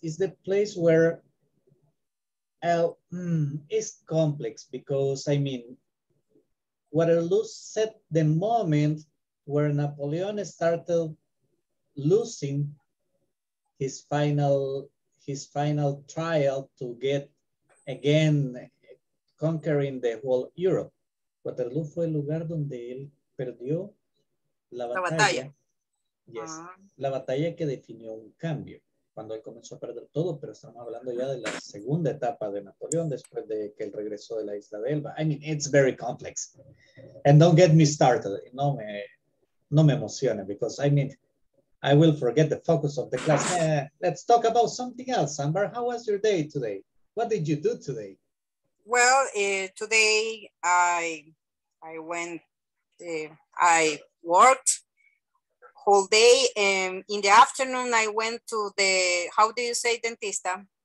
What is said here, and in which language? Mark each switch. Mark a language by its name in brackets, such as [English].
[English] It's the place where it's complex because, I mean, Waterloo set the moment where Napoleon started losing his final trial to get again conquering the whole Europe. [Spanish] Waterloo fue el lugar donde él perdió la batalla. [English] Yes. [Spanish] La batalla que definió un cambio cuando él comenzó a perder todo, pero estamos hablando ya de la segunda etapa de Napoleón después de que él regresó de la isla de Elba. [English] I mean, it's very complex. And don't get me started. [Spanish] No me emocione, [English] because I mean, I will forget the focus of the class. Let's talk about something else, Amber. How was your day today? What did you do today? Well, today I went, I worked whole day, and in the afternoon I went to the, how do you say, dentista?